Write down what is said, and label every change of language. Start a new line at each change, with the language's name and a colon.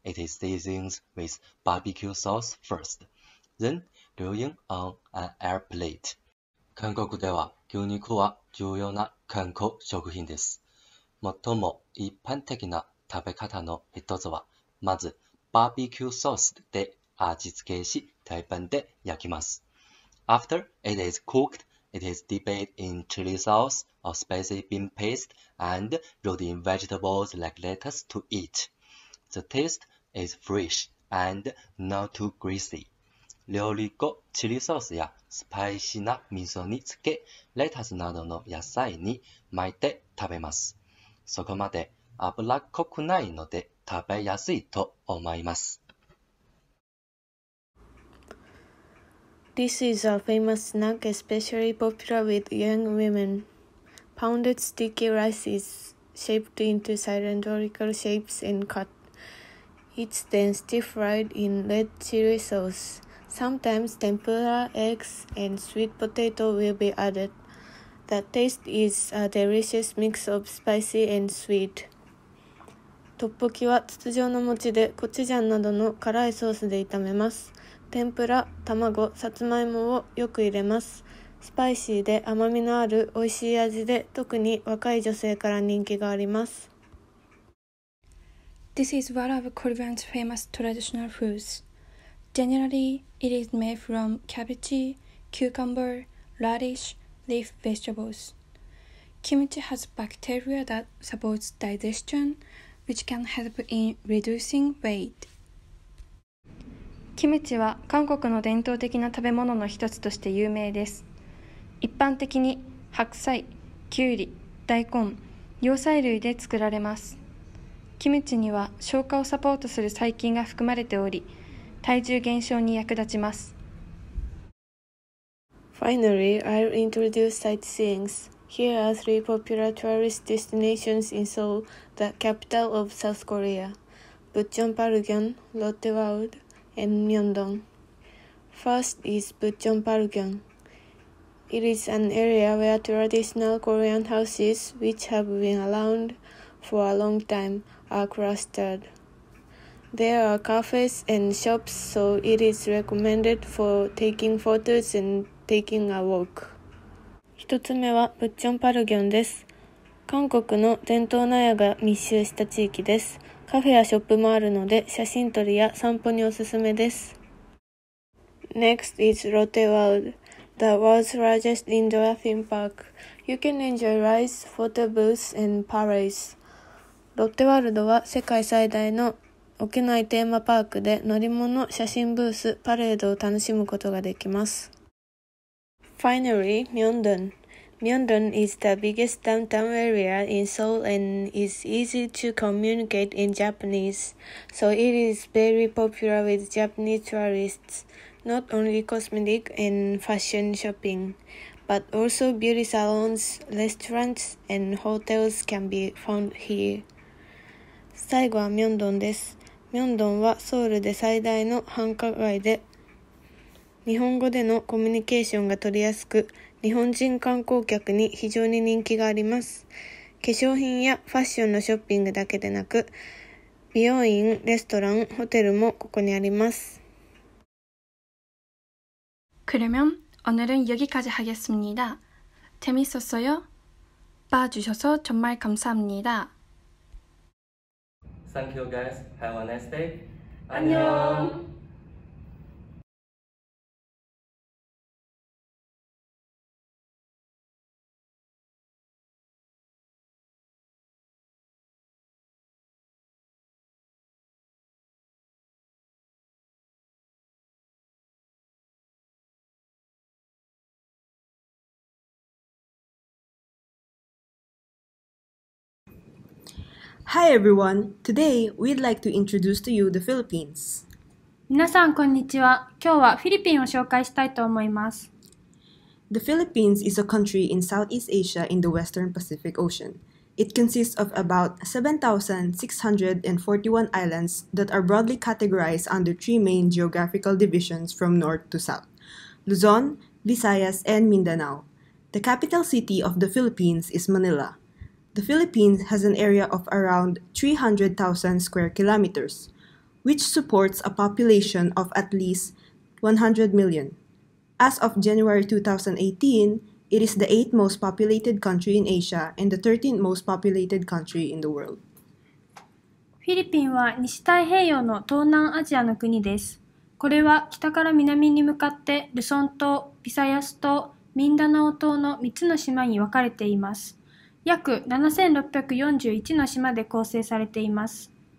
English: It is seasoned with barbecue sauce first, then grilling on an air plate.
Japanese: 韓国では牛肉は重要な健康食品です。最も一般的な食べ方の一つは、まずバーベキューソースで味付けし、鉄板で焼きます。
English: After it is cooked, it is dipped in chili sauce or spicy bean paste and rolled in vegetables like lettuce to eat. The taste is fresh and not too greasy.
Japanese: 料理後、チリソースやスパイシーな味噌につけ、レタスなどの野菜に巻いて食べます。そこまで脂っこくないので食べやすいと思います。
English: This is a famous snack especially popular with young women. Pounded sticky rice is shaped into cylindrical shapes and cut. It's then stir-fried in red chili sauce. Sometimes tempura, eggs, and sweet potato will be added. The taste is a delicious mix of spicy and sweet.
Japanese: トッポキは筒状の餅でコチュジャンなどの辛いソースで炒めます。天ぷら、卵、さつまいもをよく入れます。スパイシーで甘みのある美味しい味で、特に若い女性から人気があります。
English: This is one of Korean's famous traditional foods. Generally, it is made from cabbage, cucumber, radish, leaf vegetables. Kimchi has bacteria that supports digestion, which can help in reducing weight.
Japanese: キムチは韓国の伝統的な食べ物の一つとして有名です。一般的に白菜、きゅうり、大根、葉菜類で作られます。キムチには消化をサポートする細菌が含まれており、体重減少に役立ちます。
English: Finally, I'll introduce sightseeings. Here are three popular tourist destinations in Seoul, the capital of South Korea: Bucheon-Palgyon, Lotte World, and Myeongdong. First is Bucheon-Palgyon. It is an area where traditional Korean houses, which have been around for a long time, are clustered. There are cafes and shops, so it is recommended for taking photos and taking a walk.
Japanese: 一つ目はブッチョンパルギョンです。韓国の伝統納屋が密集した地域です。カフェやショップもあるので、写真撮りや散歩におすすめです。
English: Next is Lotte World, the world's largest indoor theme park. You can enjoy rides, photo booths, and parades.
Japanese: ロッテワールドは世界最大の屋内テーマパークで、乗り物、写真ブース、パレードを楽しむことができます。
English: Finally, Myeongdong. Myeongdong is the biggest downtown area in Seoul and is easy to communicate in Japanese, so it is very popular with Japanese tourists. Not only cosmetic and fashion shopping, but also beauty salons, restaurants, and hotels can be found here.
Japanese: 最後は Myeongdong です。 Myeongdong はソウルで最大の繁華街で、日本語でのコミュニケーションが取りやすく、日本人観光客に非常に人気があります。化粧品やファッションのショッピングだけでなく、美容院、レストラン、ホテルもここにあります。
Korean: 그러면오늘은여기까지하겠습니다。 재밌었어요。 봐주셔서정말감사합니다。
English: Thank you guys. Have a nice day.
Korean: 안녕。
English: Hi everyone! Today, we'd like to introduce to you the Philippines.
Japanese: 皆さんこんにちは。今日はフィリピンを紹介したいと思います。
English: The Philippines is a country in Southeast Asia in the Western Pacific Ocean. It consists of about 7,641 islands that are broadly categorized under three main geographical divisions from north to south: Luzon, Visayas, and Mindanao. The capital city of the Philippines is Manila. The Philippines has an area of around 300,000 square kilometers, which supports a population of at least 100 million. As of January 2018, it is the 8th most populated country in Asia and the 13th most populated country in the world.
Japanese: フィリピンは西太平洋の東南アジアの国です。これは北から南に向かってルソン島、ビサヤス島、ミンダナオ島の3つの島に分かれています。約7641の島で構成されています。